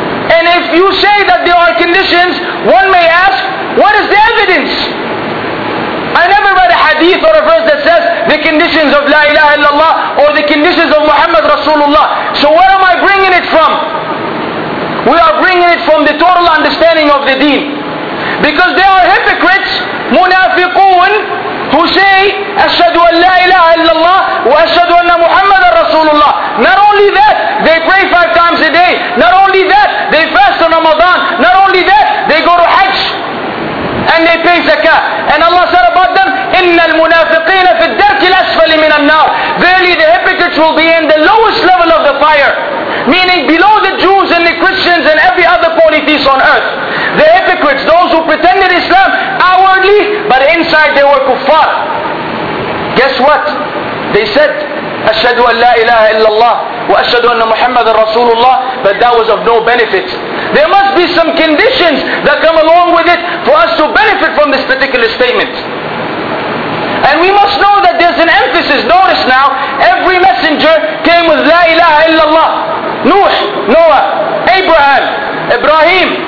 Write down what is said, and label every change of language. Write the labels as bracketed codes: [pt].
[en] And if you say that there are conditions, one may ask, what is the evidence? I never read a hadith or a verse that says the conditions of [ar] La ilaha illallah [en] or the conditions of [ar] Muhammad Rasulullah. [en] So where am I bringing it from? We are bringing it from the total understanding of the deen. Because there are hypocrites, munafiqoon, who say, [ar] أَشْهَدُ أَنْ لَا إِلَهَ إِلَّا اللَّهِ وَأَشْهَدُ أَنَّ مُحَمَّدًا رَسُولُ اللَّهِ. [en] Not only that, they pray 5 times a day. Not only that, they fast on Ramadan. Not only that, they go to Hajj. And they pay zakah. And Allah said about them, [ar] إِنَّ الْمُنَافِقِينَ فِي الدَّرْكِ الْأَسْفَلِ مِنَ النَّارِ. [en] Verily the hypocrites will be in the lowest level of the fire. Meaning below the Jews and the Christians and every other polytheist on earth. The hypocrites, those who pretended Islam outwardly, but inside they were kuffar. Guess what? They said, [ar] أَشْهَدُ أَنْ لَا إِلَهَ إِلَّا اللَّهِ وَأَشْهَدُ أَنَّ مُحَمَّدًا رَسُولُ اللَّهِ. [en] But that was of no benefit. There must be some conditions that come along with it for us to benefit from this particular statement. And we must know that there's an emphasis. Notice now, every messenger came with [ar] La ilaha illallah. [en] Nuh, Noah, Abraham, Ibrahim,